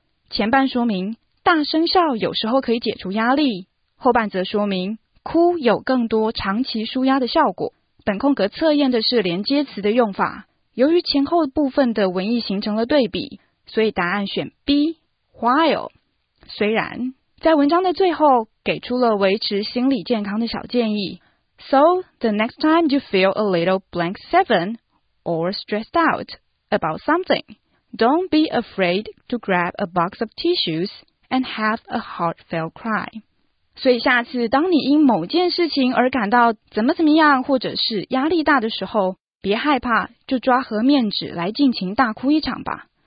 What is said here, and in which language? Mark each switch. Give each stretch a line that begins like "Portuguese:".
Chinese: 前半说明大声笑有时候可以解除压力，后半则说明哭有更多长期纾压的效果。本空格测验的是连接词的用法，由于前后部分的文意形成了对比，所以答案选 B, while, 虽然。在文章的最后给出了维持心理健康的小建议。
English: So, the next time you feel a little blank seven or stressed out about something, don't be afraid to grab a box of tissues and have a heartfelt cry.
Chinese: 所以下次当你因某件事情而感到怎么怎么样或者是压力大的时候，别害怕，就抓盒面纸来尽情大哭一场吧。